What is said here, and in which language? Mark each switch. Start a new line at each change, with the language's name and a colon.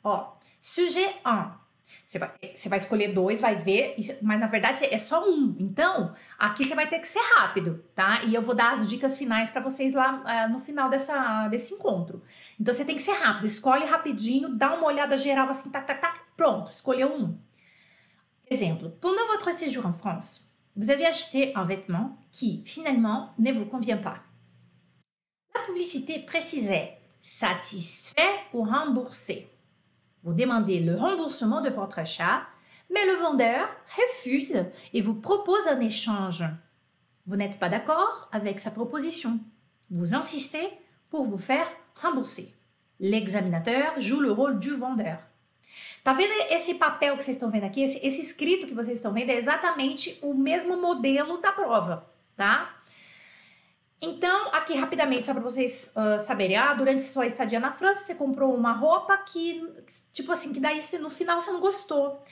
Portuguese: Ó, sujet 1. Você vai escolher 2, vai ver, mas na verdade é só 1. Então, aqui você vai ter que ser rápido, tá? E eu vou dar as dicas finais para vocês lá no final desse encontro. Então, você tem que ser rápido. Escolhe rapidinho, dá uma olhada geral assim, tac, tac, tac. Pronto, escolheu 1. Exemplo.
French: Pendant votre séjour en France, vous avez acheté un vêtement qui, finalement, ne vous convient pas. Publicité précisait satisfait ou remboursé. Vous demandez le remboursement de votre achat, mais le vendeur refuse et vous propose un échange. Vous n'êtes pas d'accord avec sa proposition. Vous insistez pour vous faire rembourser. L'examinateur joue le rôle du vendeur.
Portuguese: Tá vendo esse papel que vocês estão vendo aqui? Esse escrito que vocês estão vendo é exatamente o mesmo modelo da prova, tá? Então, aqui rapidamente, só para vocês saberem, durante sua estadia na França, você comprou uma roupa que, tipo assim, que daí no final você não gostou.